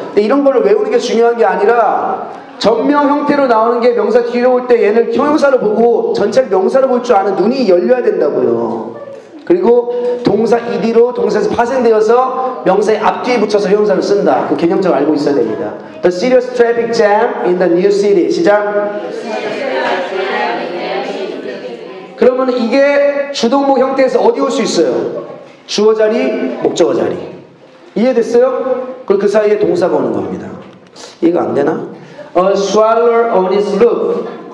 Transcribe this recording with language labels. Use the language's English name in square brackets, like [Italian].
[Korean] 근데 이런 걸 외우는 게 중요한 게 아니라 전명 형태로 나오는 게 명사 뒤로 올 때 얘는 형용사로 보고 전체를 명사로 볼 줄 아는 눈이 열려야 된다고요. 그리고 동사 ED로 동사에서 파생되어서 명사의 앞뒤에 붙여서 형용사를 쓴다. 그 개념적으로 알고 있어야 됩니다. [English] The serious traffic jam in the new city. [Korean] 시작. 그러면 이게 주동목 형태에서 어디 올 수 있어요? 주어 자리, 목적어 자리. 이해됐어요? 그리고 그 사이에 동사가 오는 겁니다. 이해가 안 되나? [English] A swallow on his roof.